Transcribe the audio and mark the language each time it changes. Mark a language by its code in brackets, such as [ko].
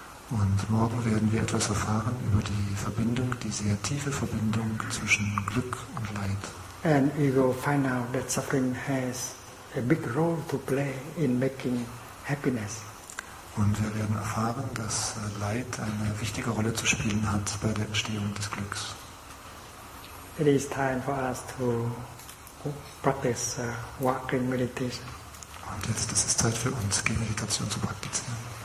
[de] Und morgen werden wir etwas erfahren über die Verbindung, die sehr tiefe Verbindung zwischen Glück und Leid. [en] And we will find out that suffering has a big role to play in making happiness. [de] Und wir werden erfahren, dass Leid eine wichtige Rolle zu spielen hat bei der Entstehung des Glücks. [en] It is time for us to practice walking meditation. [de] Und jetzt ist es Zeit für uns, die Meditation zu praktizieren.